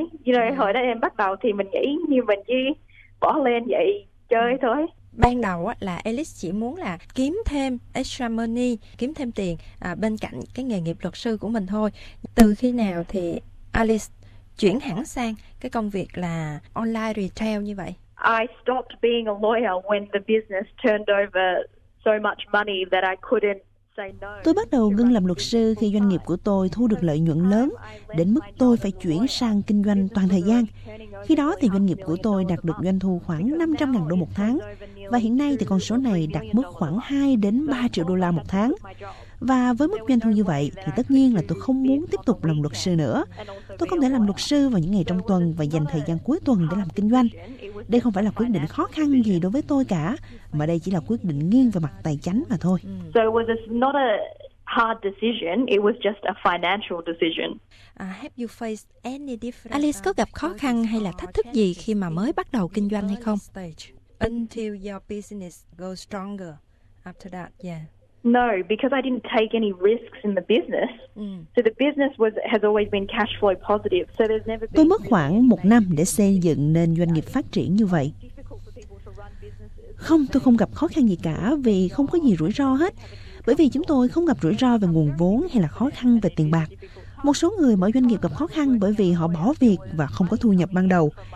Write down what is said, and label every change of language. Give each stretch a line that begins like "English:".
English: You know,
Vietnamese: hồi đó em bắt đầu thì mình nghĩ như mình chỉ bỏ lên vậy chơi thôi. Ban đầu là Alice chỉ muốn là kiếm thêm
English: extra money,
Vietnamese: kiếm thêm tiền bên cạnh cái nghề nghiệp luật sư của mình thôi. Từ khi nào thì Alice chuyển hẳn sang cái công việc là
English: online retail
Vietnamese: như vậy?
English: I stopped being a lawyer when the business turned over so much money that I couldn't.
Vietnamese: Tôi bắt đầu ngưng làm luật sư khi doanh nghiệp của tôi thu được lợi nhuận lớn, đến mức tôi phải chuyển sang kinh doanh toàn thời gian. Khi đó thì doanh nghiệp của tôi đạt được doanh thu khoảng 500.000 đô một tháng, và hiện nay thì con số này đạt mức khoảng 2 đến 3 triệu đô la một tháng. Và với mức doanh thu như vậy thì tất nhiên là tôi không muốn tiếp tục làm luật sư nữa. Tôi không thể làm luật sư vào những ngày trong tuần và dành thời gian cuối tuần để làm kinh doanh. Đây không phải là quyết định khó khăn gì đối với tôi cả, mà đây chỉ là quyết định nghiêng về mặt tài chính mà thôi.
English: So it was not a hard decision, it was just a financial decision. Have you faced any different...
Vietnamese: Alice có gặp khó khăn hay là thách thức gì khi mà mới bắt đầu kinh doanh hay không?
English: Until your business goes stronger after that, yeah. No, because I didn't take any risks in the business. So the business has always been cash flow positive. So there's never been.
Vietnamese: Tôi mất khoảng một năm để xây dựng nên doanh nghiệp phát triển như vậy. Không, tôi không gặp khó khăn gì cả vì không có gì rủi ro hết. Bởi vì chúng tôi không gặp rủi ro về nguồn vốn hay là khó khăn về tiền bạc. Một số người mở doanh nghiệp gặp khó khăn bởi vì họ bỏ việc và không có thu nhập ban đầu.